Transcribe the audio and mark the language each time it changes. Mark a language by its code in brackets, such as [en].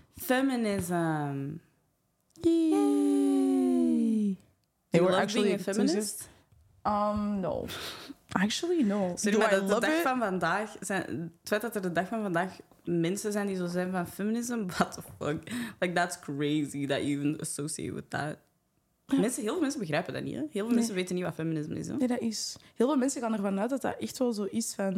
[en] Feminism. Yay! Do you love being a feminist? No. Actually, no. [nl] Sorry, maar de dag van vandaag... Het feit dat er de dag van vandaag mensen zijn die zo zijn van feminism... [en] What the fuck? Like, that's crazy that you even associate with that. [nl] Mensen, heel veel mensen begrijpen dat niet. Hè? Heel veel mensen weten niet wat feminisme is. Hè? Nee, dat is... Heel veel mensen gaan ervan uit dat dat echt wel zo is van...